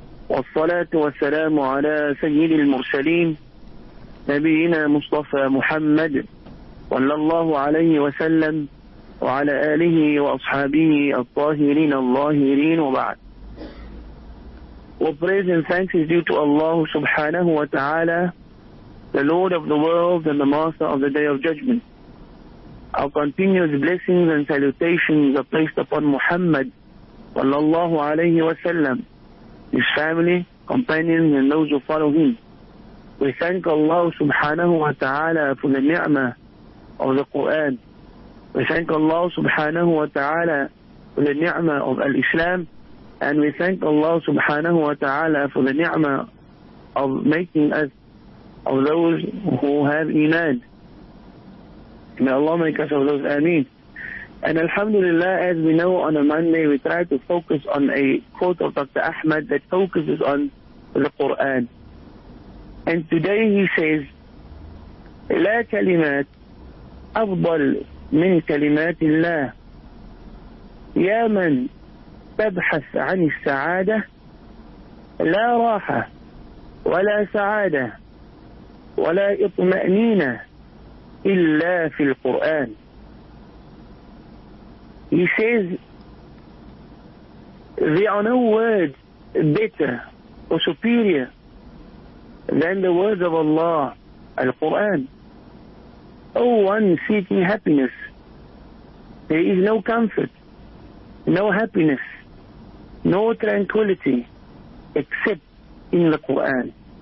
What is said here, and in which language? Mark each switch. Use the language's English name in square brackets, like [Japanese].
[Arabic] والصلاة والسلام على سيد المرسلين نبينا مصطفى محمد صلى الله عليه وسلم وعلى آله وأصحابه الطاهرين اللاهرين وبعد. [English] Well, praise and thanks is due to Allah subhanahu wa ta'ala, the Lord of the world and the master of the day of judgment. Our continuous blessings and salutations are placed upon Muhammad [Arabic] صلى الله عليه وسلم, [English] his family, companions, and those who follow him. We thank Allah subhanahu wa ta'ala for the ni'mah of the Qur'an. We thank Allah subhanahu wa ta'ala for the ni'mah of al-Islam. And we thank Allah subhanahu wa ta'ala for the ni'mah of making us of those who have iman. May Allah make us of those. Ameen. And alhamdulillah, as we know, on a Monday, we try to focus on a quote of Dr. Ahmed that focuses on the Qur'an. And today he says, [Arabic] لا كلمات أفضل من كلمات الله يا من تبحث عن السعادة لا راحة ولا سعادة ولا إطمأنينة إلا في القرآن. [English] He says, there are no words better or superior than the words of Allah, Al-Quran. O one seeking happiness, there is no comfort, no happiness, no tranquility except in the Quran.